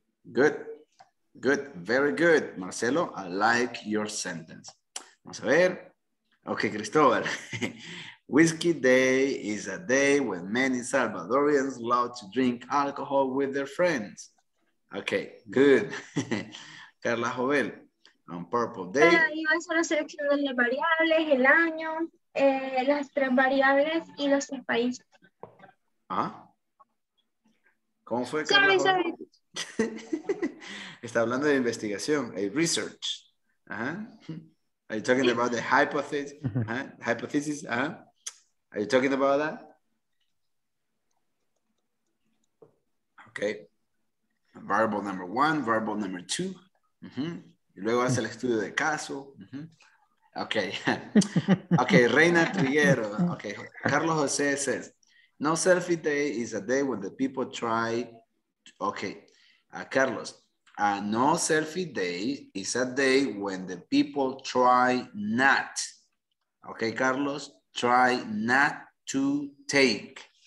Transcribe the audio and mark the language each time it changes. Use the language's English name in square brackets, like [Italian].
[English] Good, good, very good, Marcelo. I like your sentence. [Spanish] Vamos a ver. [English] Okay, Cristobal. Whiskey day is a day when many Salvadorians love to drink alcohol with their friends. Okay, good. Carla Jovel, on purple day. [Spanish] Yo hice la selección de las variables, el año, las tres variables y los tres países. ¿Ah? ¿Cómo fue, Carla? [English] Sorry, sorry. [Spanish] Está hablando de investigación, [English] a research. [Spanish] Uh-huh. [English] Are you talking about the hypothesis? Uh-huh. Hypothesis? Uh-huh. Are you talking about that? Okay. Verbal number one, verbal number two. [Spanish] Uh-huh. Y luego hace el estudio de caso. [English] Uh-huh. Okay. Okay, Reina Triguero. Okay. Carlos Jose says, no selfie day is a day when the people try. Okay. Carlos, no selfie day is a day when the people try not. Okay, Carlos, try not to take.